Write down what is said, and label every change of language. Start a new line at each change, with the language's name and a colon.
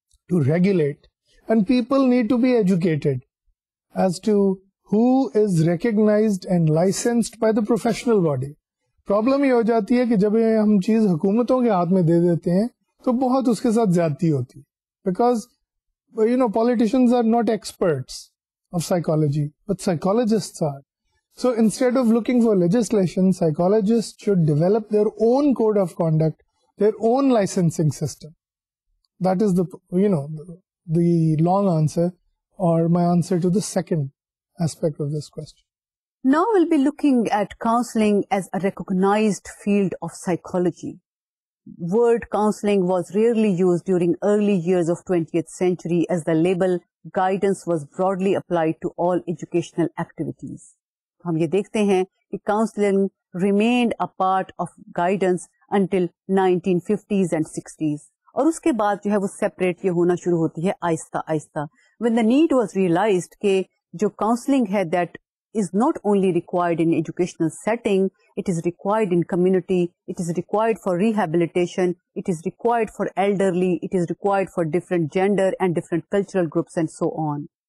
English: to regulate and people need to be educated as to who is recognised and licensed by the professional body
Urdu: problem یہ ہو جاتی ہے کہ جب ہم چیز حکومتوں کے ہاتھ میں دے دیتے ہیں تو بہت اس کے ساتھ زیادتی ہوتی ہے because
English: you know, politicians are not experts of psychology, but psychologists are. So instead of looking for legislation, psychologists should develop their own code of conduct, their own licensing system. That is the, you know, the long answer, or my answer to the second aspect of this question. Now we'll be looking at counseling as a recognized field of psychology. Word counseling was rarely used during early years of 20th century, as the label guidance was broadly applied to all educational activities.
Urdu: ہم یہ دیکھتے ہیں کہ counselling
English: remained a part of guidance until 1950s and 60s,
Urdu: اور اس کے بعد جو ہے وہ سیپریٹ یہ ہونا شروع ہوتی ہے آہستہ آہستہ.
English: When the need was realized
Urdu: کہ جو کاؤنسلنگ ہے
English: that is not only required in educational setting, it is required in community, it is required for rehabilitation, it is required for elderly, it is required for different gender and different cultural groups and so on.